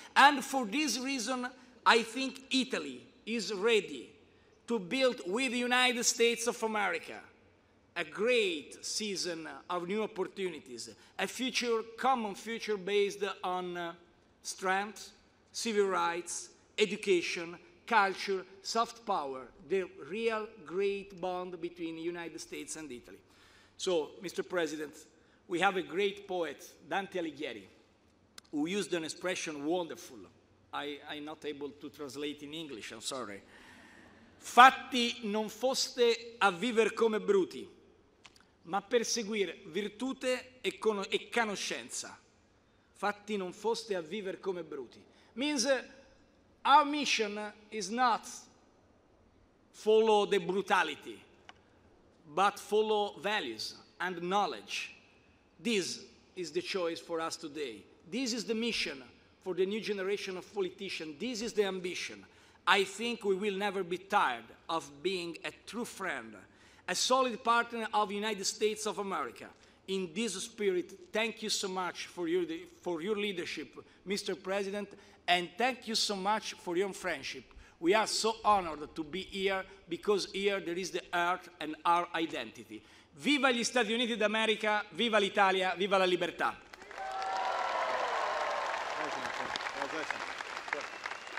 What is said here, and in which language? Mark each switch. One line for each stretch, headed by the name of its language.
English: And for this reason, I think Italy is ready to build with the United States of America a great season of new opportunities, a future, common future based on strength, civil rights, education, culture, soft power, the real great bond between the United States and Italy. So, Mr. President, we have a great poet, Dante Alighieri, who used an expression wonderful. I'm not able to translate in English, I'm sorry.
Italian: Fatti non foste a vivere come bruti, ma per seguire virtute e conoscenza. Fatti non foste a vivere come bruti.
English: Means our mission is not follow the brutality, but follow values and knowledge. This is the choice for us today. This is the mission for the new generation of politicians. This is the ambition. I think we will never be tired of being a true friend, a solid partner of the United States of America. In this spirit, thank you so much for your leadership, Mr. President, and thank you so much for your friendship. We are so honored to be here, because here there is the earth and our identity.
Italian: Viva gli Stati Uniti d'America, viva l'Italia, viva la libertà.